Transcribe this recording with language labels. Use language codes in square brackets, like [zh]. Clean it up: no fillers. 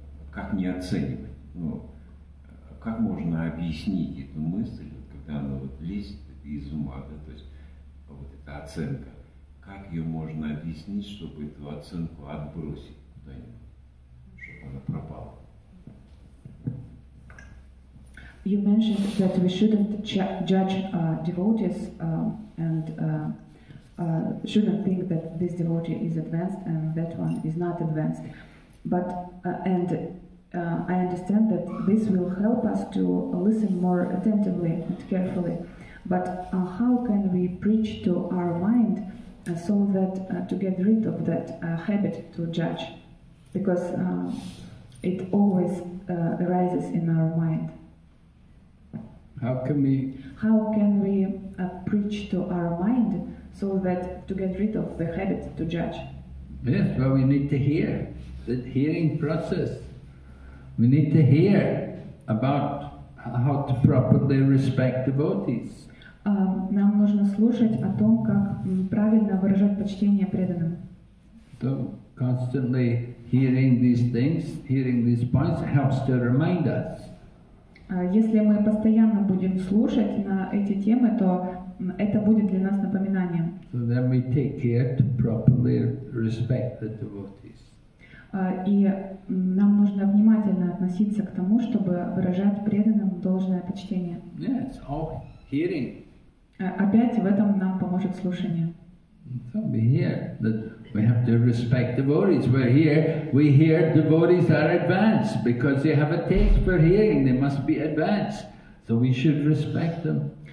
[ru] Как не оценивать? Ну, как можно объяснить эту мысль, когда она вот лезет из ума, да, то есть вот эта оценка, как ее можно объяснить, чтобы эту оценку отбросить куда-нибудь, чтобы она пропала? [en] You mentioned that we shouldn't judge devotees and shouldn't think that this devotee is advanced and that one is not advanced. But I understand that this will help us to listen more attentively and carefully. But how can we preach to our mind so that to get rid of that habit to judge? Because it always arises in our mind. How can we preach to our mind so that to get rid of the habit to judge? Yes, well, we need to hear, the hearing process. We need to hear about how to properly respect devotees. [ru] Нам нужно слушать о том, как правильно выражать почтение преданным. [en] So constantly hearing these points helps to remind us. [ru] Если мы постоянно будем слушать на эти темы, то это будет для нас напоминанием. [en] So then we take care to properly respect the devotees. [ru] И нам нужно внимательно относиться к тому, чтобы выражать преданным должное почтение. [en] Yes, all hearing. [ru] Опять в этом нам поможет слушание. [en] So we hear that we have to respect devotees. We hear devotees are advanced because they have a taste for hearing. They must be advanced, so we should respect them.